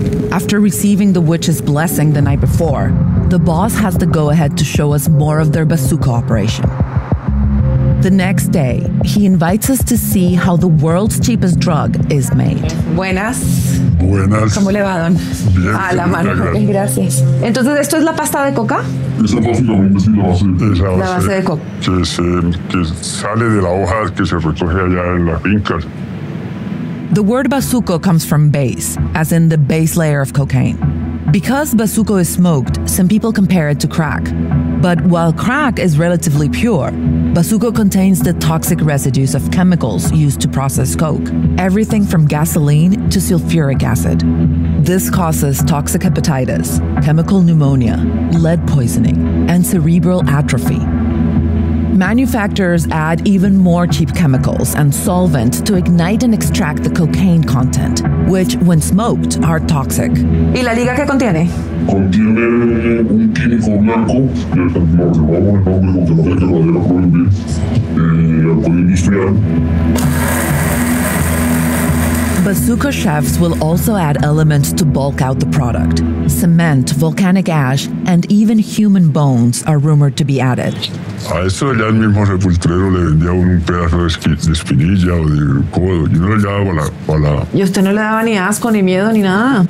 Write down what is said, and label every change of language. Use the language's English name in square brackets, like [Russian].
[English] After receiving the witch's blessing the night before, the boss has the go-ahead to show us more of their Basuco operation. The next day, he invites us to see how the world's cheapest drug is made. [Spanish] Buenas. Buenas. ¿Cómo le va, don? Bien. A la mano. Gracias. Entonces, ¿esto es la pasta de coca? Esa es la base de coca. Que sale de la hoja que se recoge allá en las fincas. [English] The word Basuco comes from base, as in the base layer of cocaine. Because Basuco is smoked, some people compare it to crack. But while crack is relatively pure, Basuco contains the toxic residues of chemicals used to process coke, everything from gasoline to sulfuric acid. This causes toxic hepatitis, chemical pneumonia, lead poisoning, and cerebral atrophy. Manufacturers add even more cheap chemicals and solvent to ignite and extract the cocaine content, which, when smoked, are toxic. [Spanish] ¿Y la liga qué contiene? Contiene un químico blanco, que es el que va a poner el nombre, porque no sé qué va a ser el alcohol industrial. [English] Basuco chefs will also add elements to bulk out the product. Cement, volcanic ash, and even human bones are rumored to be added. [Spanish] A eso allá el mismo sepulturero le vendía un pedazo de espinilla o de codo. Yo no le daba para la, pa la... ¿Y usted no le daba ni asco, ni miedo, ni nada?